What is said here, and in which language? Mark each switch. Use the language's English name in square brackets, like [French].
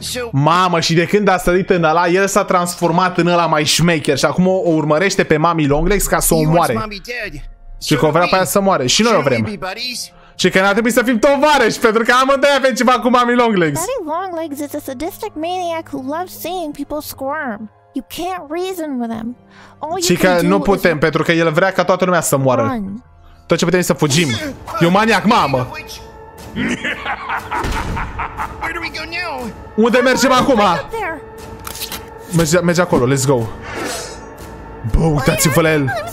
[Romanian] Mamă, și de când a sărit în ăla, el s-a transformat în ăla mai șmecher și acum o urmărește pe Mommy Longlegs ca să o moare. Și că o vrea pe aia să moare. Și noi o vrem. Și că n-ar trebui să fim tovarăși, pentru că amândoi avem ceva cu Mommy Longlegs. [English] Daddy Longlegs is a sadistic maniac who loves seeing people squirm. You can't reason with him. [Romanian] Și că nu putem, pentru că el vrea ca toată lumea să moară. Tot ce putem să fugim. E un maniac, mamă. [English] Where do we go now? [Romanian] Unde mergem acum? Merge acolo, [English] let's go. [Romanian] Bă, uitați-vă la el.